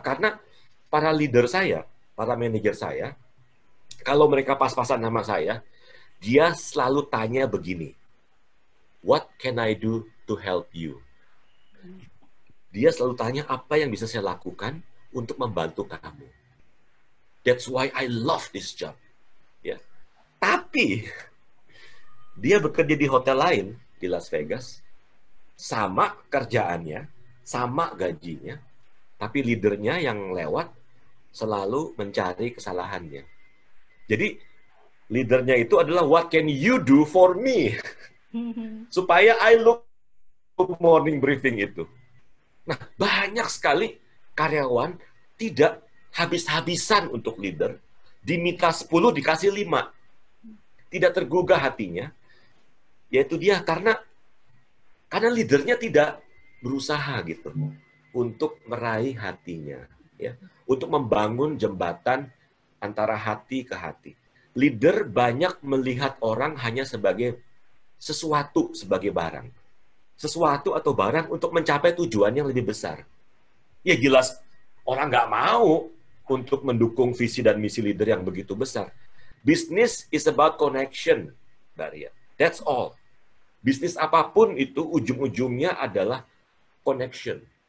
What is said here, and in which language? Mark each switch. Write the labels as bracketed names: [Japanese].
[Indonesian] Karena para leader saya, para manajer saya, kalau mereka pas-pasan sama saya, dia selalu tanya begini, [English] what can I do to help you? [Indonesian] Dia selalu tanya, apa yang bisa saya lakukan untuk membantu kamu? [English] That's why I love this job. [Indonesian] Ya. Tapi, dia bekerja di hotel lain di Las Vegas, sama kerjaannya, sama gajinya, tapi leadernya yang lewat selalu mencari kesalahannya. Jadi leadernya itu adalah [English] what can you do for me [Indonesian] supaya I look morning briefing itu. Nah, banyak sekali karyawan tidak habis-habisan untuk leader, diminta 10 dikasih 5. Tidak tergugah hatinya. Yaitu dia karena leadernya tidak berusaha gitu untuk meraih hatinya, ya, untuk membangun jembatan antara hati ke hati. Leader banyak melihat orang hanya sebagai sesuatu, sebagai barang. Sesuatu atau barang untuk mencapai tujuan yang lebih besar. Ya jelas, orang nggak mau untuk mendukung visi dan misi leader yang begitu besar. [English] Business is about connection, Baria. That's all. [Indonesian] Bisnis apapun itu, ujung-ujungnya adalah connection.